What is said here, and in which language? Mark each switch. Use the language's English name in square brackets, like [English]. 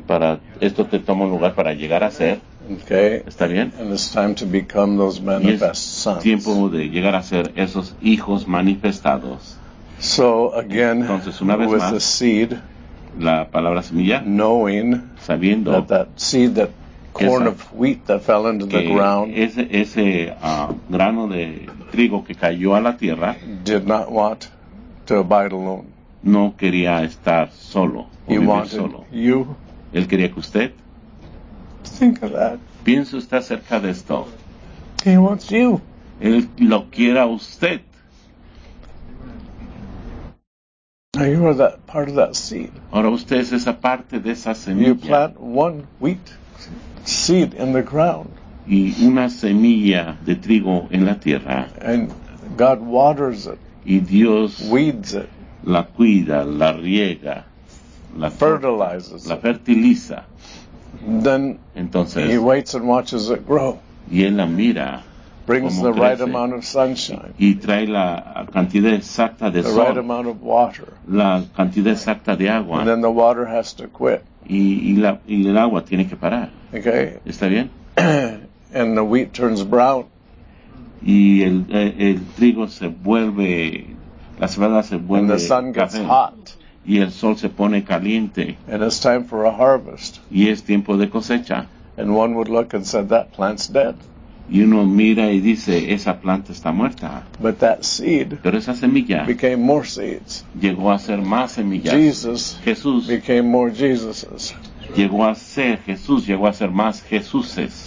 [Spanish] Para esto te toma un lugar para llegar a ser. [English] Okay, [Spanish] está bien. [English] And it's time to become those manifest sons. [Spanish] Tiempo de llegar a ser esos hijos manifestados. [English] So again, [Spanish] entonces, una vez [English] with [Spanish] más, [English] the seed, [Spanish] la palabra semilla, [English] knowing, [Spanish] sabiendo, [English] that seed, that corn of wheat that fell into the ground, [Spanish] ese grano de trigo que cayó a la tierra, [English] did not want to abide alone. [Spanish] No quería estar solo. [English] He wanted [Spanish] solo. [English] You. [Spanish] Él quería que usted. [English] Think of that. [Spanish] Piense usted acerca de esto. [English] He wants you. [Spanish] Él lo quiera usted. [English] Now you are that part of that seed. [Spanish] Ahora usted es esa parte de esa semilla. [English] You plant one wheat seed in the ground. [Spanish] Y una semilla de trigo en la tierra. [English] And God waters it. [Spanish] Y Dios [English] weeds it. [Spanish] La cuida, la riega, la [English] fertilizes. [Spanish] La fertiliza. [English] Then [Spanish] entonces, [English] he waits and watches it grow. [Spanish] Y él la mira. [English] Brings the right amount of sunshine. [Spanish] Y trae la cantidad exacta de [English] the [Spanish] sol. [English] The right amount of water. [Spanish] La cantidad exacta de agua. [English] And then the water has to quit. [Spanish] Y el agua tiene que parar. [English] Okay. [Spanish] ¿Está bien? [English] And the wheat turns brown. [Spanish] Y el trigo se vuelve, la cebada se vuelve. [English] And the sun [Spanish] café. [English] Gets hot. [Spanish] Y el sol se pone caliente. [English] And it's time for a harvest. [Spanish] Y es tiempo de cosecha. [English] And one would look and say, that plant's dead. [Spanish] Y uno mira y dice, esa planta está muerta. [English] But that seed, [Spanish] pero esa semilla, [English] became more seeds. [Spanish] Llegó a ser más semillas. [English] Jesus, [Spanish] Jesús, [English] became more Jesuses. [Spanish] Llegó a ser Jesús, llegó a ser más Jesuses.